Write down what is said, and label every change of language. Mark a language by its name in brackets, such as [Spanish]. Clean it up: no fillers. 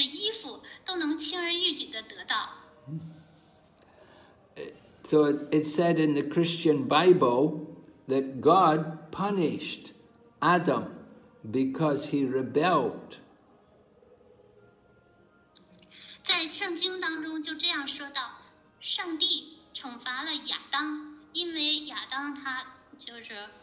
[Chinese] 无论人们需要什么样的水果、蔬菜或者是衣服，都能轻而易举地得到。 [English] So it said in the Christian Bible that God punished Adam because he rebelled. [Chinese] 在圣经当中就这样说道：上帝惩罚了亚当，因为亚当他就是。